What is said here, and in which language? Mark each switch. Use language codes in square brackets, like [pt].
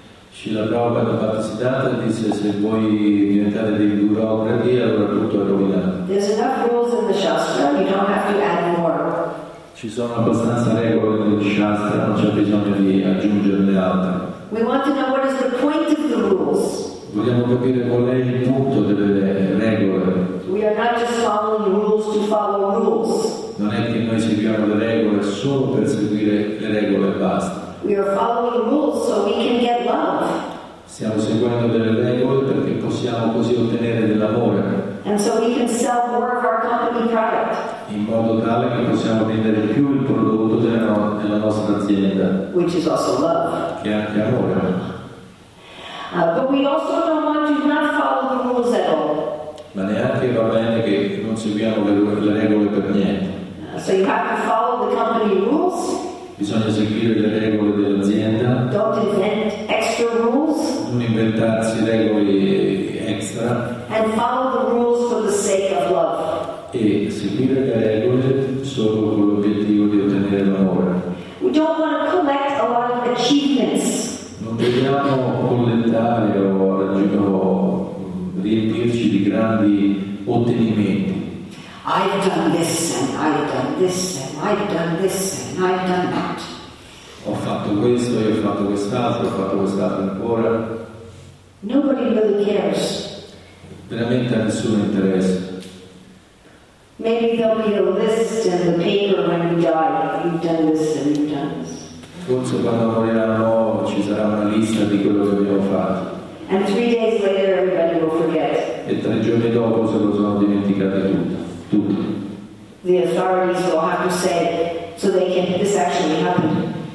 [it] Srila Prabhupada Bhaktisiddhanta dice se vuoi diventare dei burocrati allora tutto è rovinato. [en] There's enough rules in the Shastra, you don't have to add more. [it] Ci sono abbastanza regole nel Shastra, non c'è bisogno di aggiungerne altre. [en] We want to know what is the point of the rules. [it] Vogliamo capire qual è il punto delle regole. [en] We are not just following rules to follow rules. [it] Non è che noi seguiamo le regole solo per seguire le regole e basta. [en] We are following rules so we can get love. [it] Stiamo seguendo delle regole perché possiamo così ottenere dell'amore. [en] And so we can sell more of our company product. [it] In modo tale che possiamo vendere più il prodotto della nostra azienda. [en] Which is also love. [it] Che è anche amore. [en] But we also don't want to not follow the rules at all. [it] Ma neanche va bene che non seguiamo le regole per niente. [en] So you have to follow the company rules. [it] Bisogna seguire le regole dell'azienda. [en] Don't invent extra rules. [it] Non inventarsi regole extra. [en] And follow the rules for the sake of love. [it] E seguire le regole solo con l'obiettivo di ottenere l'amore. [en] We don't want to collect a lot of achievements. [it] Non vogliamo collettare o riempirci di grandi ottenimenti. [en] I've done this and I've done this and I've done this and I've done that. [it] Ho fatto questo e ho fatto quest'altro ancora. [en] Nobody really cares. [it] Veramente a nessuno interessa. [en] Maybe there'll be a list in the paper when you die. You've done this and you've done this. [it] Forse quando moriranno ci sarà una lista di quello che abbiamo fatto. [en] And 3 days later everybody will forget. [it] E 3 giorni dopo se lo sono dimenticati tutto. [en] The authorities will have to say so they can this actually happened.